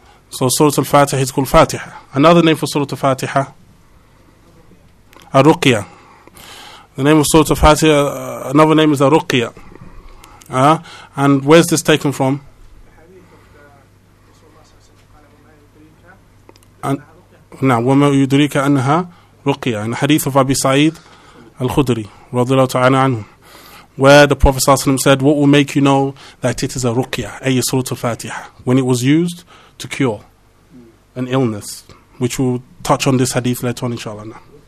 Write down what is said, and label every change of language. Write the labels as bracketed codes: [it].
[en] So Surah Al-Fatiha is called Fatiha. Another name for Surah Al-Fatiha? Ar-Ruqya. The name of Surah Al-Fatiha, another name is Ar-Ruqya. And where's this taken from? [ar] Now, وَمَا يُدْرِيكَ أَنَّهَا رُقِيَةٌ. [en] In the hadith of Abi Sa'id al-Khudri, رضي الله تعالى عنه, where the Prophet ﷺ said, what will make you know that it is a ruqya, ayya Surah Al-Fatiha, when it was used to cure an illness, which we'll touch on this hadith later on, inshallah. Now.